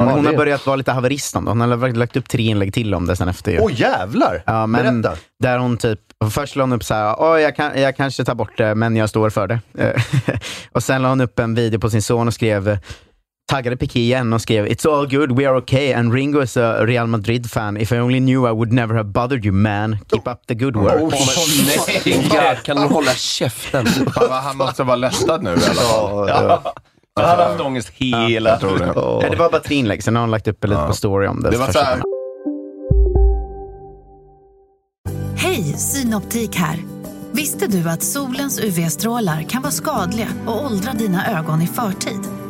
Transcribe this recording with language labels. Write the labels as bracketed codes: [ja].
[sv] Men hon har börjat vara lite haverist om det. Hon har lagt upp 3 inlägg till om det sen efter. Åh, jävlar! Ja, men berätta. Där hon typ... Först lade hon upp så här, jag kanske tar bort det, men jag står för det. Och sen lade hon upp en video på sin son och skrev, taggade Piqué igen och skrev, [en] it's all good, we are okay, and Ringo is a Real Madrid fan. If I only knew I would never have bothered you, man. Keep up the good work. [sv] Nej, kan du hålla käften? Han måste vara lästad nu. Han har haft ångest hela. Ja, det var bara 3 inlägg, sen har hon lagt upp lite på story om det. Det var så här. Hej, Synoptik här. Visste du att solens UV-strålar kan vara skadliga och åldra dina ögon i förtid?